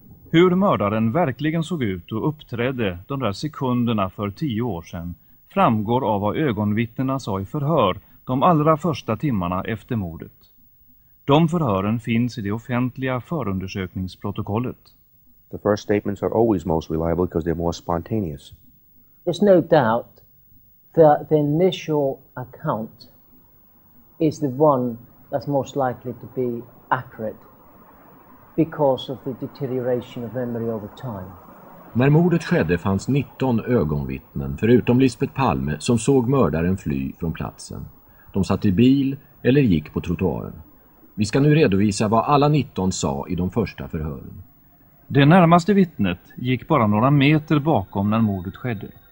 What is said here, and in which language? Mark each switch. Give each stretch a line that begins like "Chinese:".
Swedish: Hur mördaren verkligen såg ut och uppträdde de där sekunderna för 10 år sedan framgår av vad ögonvittnena sa i förhör de allra första timmarna efter mordet. De förhören finns i det offentliga förundersökningsprotokollet.
English: The first statements are always most reliable because they're more spontaneous. There's no doubt that the initial account is the one that's most likely to be accurate because of the deterioration of memory over time.
Swedish: När mordet skedde fanns 19 ögonvittnen förutom Lisbet Palme som såg mördaren fly från platsen. De satt i bil eller gick på trottoaren. Vi ska nu redovisa vad alla 19 sa i de första förhören. Det närmaste vittnet gick bara några meter bakom när mordet skedde.